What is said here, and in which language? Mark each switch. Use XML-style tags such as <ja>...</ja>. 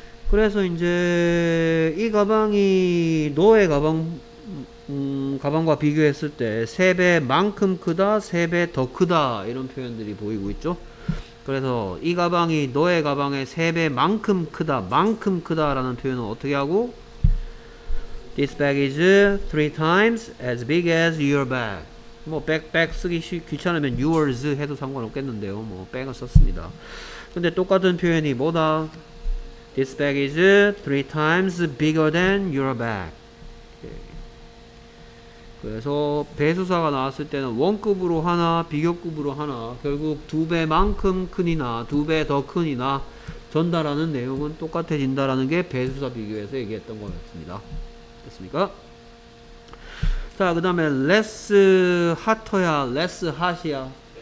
<ko>그래서 이제 이 가방이 너의 가방 가방과 비교했을 때 세 배만큼 크다, 세 배 더 크다 이런 표현들이 보이고 있죠. 그래서 이 가방이 너의 가방의 세 배만큼 크다, 만큼 크다라는 표현은 어떻게 하고?</ko> <en>This bag is three times as big as your bag.</en> <ko>뭐 백 쓰기 귀찮으면 yours 해도 상관없겠는데요. 뭐 백을 썼습니다. 근데 똑같은 표현이 뭐다?</ko> <en>This bag is three times bigger than your bag.</en> <ko>그래서 배수사가 나왔을 때는 원급으로 하나, 비교급으로 하나, 결국 두 배만큼 크니나 두 배 더 크니나 전달하는 내용은 똑같아진다라는 게 배수사 비교에서 얘기했던 거였습니다. 됐습니까? 자, 그 다음에</ko> <en>less hot</en> <ko>야, less hot이야?</ko>